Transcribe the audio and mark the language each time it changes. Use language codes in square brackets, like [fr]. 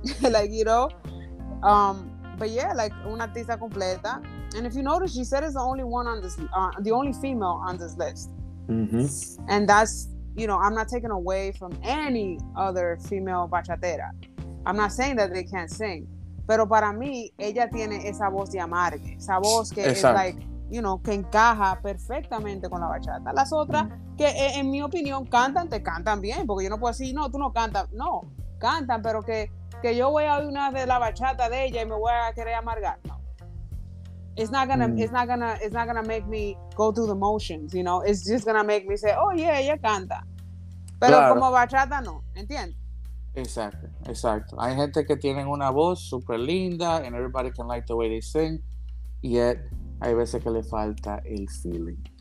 [en] Like, you know, but yeah, like [es] una artista completa. [en] And if you notice, Gisette is the only one on this the only female on this list. And that's, you know, I'm not taking away from any other female bachatera. I'm not saying that they can't sing. [es] Pero para mí, ella tiene esa voz de amargue. Esa voz que es like, you know, que encaja perfectamente con la bachata. Las otras, que en mi opinión, cantan, te cantan bien. Porque yo no puedo decir, no, tú no cantas. No, cantan, pero que yo voy a oír una de la bachata de ella y me voy a querer amargar. No. [en] It's not gonna make me go through the motions, you know. It's just gonna make me say, oh yeah, [es] ella canta. Pero claro, como bachata no, ¿entiendes? Exacto, exacto. Hay gente que tienen una voz super linda [en] and everybody can like the way they sing, yet [es] hay veces que le falta el feeling.